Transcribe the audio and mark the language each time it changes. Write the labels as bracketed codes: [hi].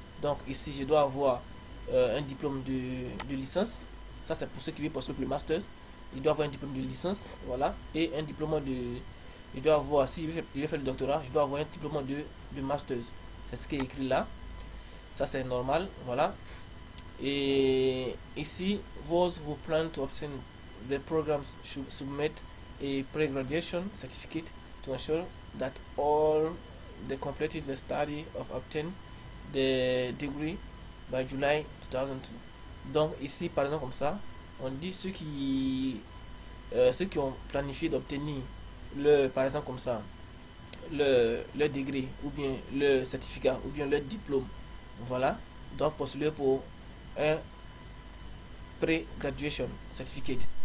[fr] Donc, ici, je dois avoir un diplôme de licence. Ça, c'est pour ceux qui veulent postuler pour le master. Il doit avoir un diplôme de licence. Voilà. Et un diplôme de. Il doit avoir, si je veux faire le doctorat, je dois avoir un diplôme de master. C'est ce qui est écrit là. Ça, c'est normal. Voilà. [en] And see, those who plan to obtain the programs should submit a pre-graduation certificate to ensure that all they completed the study of obtain the degree by July 2002. [fr] Donc ici, par exemple comme ça, on dit ceux qui ont planifié d'obtenir le, par exemple comme ça, le degré ou bien le certificat ou bien le diplôme, voilà, doivent postuler pour un pre-graduation certificate.